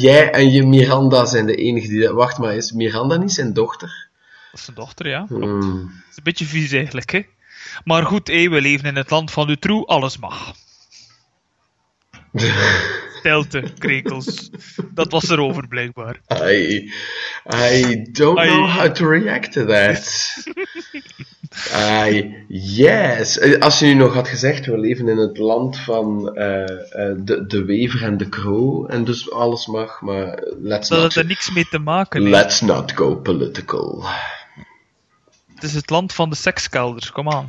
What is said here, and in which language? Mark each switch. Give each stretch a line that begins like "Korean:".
Dutch: Jij en je Miranda zijn de enige die... Wacht maar, is Miranda niet zijn dochter? Dat is zijn dochter, ja. Het is een beetje vies eigenlijk, hè. Maar goed, hé, we leven in het land van de troe, alles mag. Stelte, krekels. Dat was erover, blijkbaar.
English: I don't know how to react to that. Yes.
Dutch: Als je nu nog had gezegd, we leven in het land van de wever en de crow, en dus alles mag, maar
English: let's
Dutch: dat
English: not...
Dutch: Dat het er niks mee te maken heeft.
English: Let's not go political.
Dutch: Het is het land van de sekskelders,
English: come on.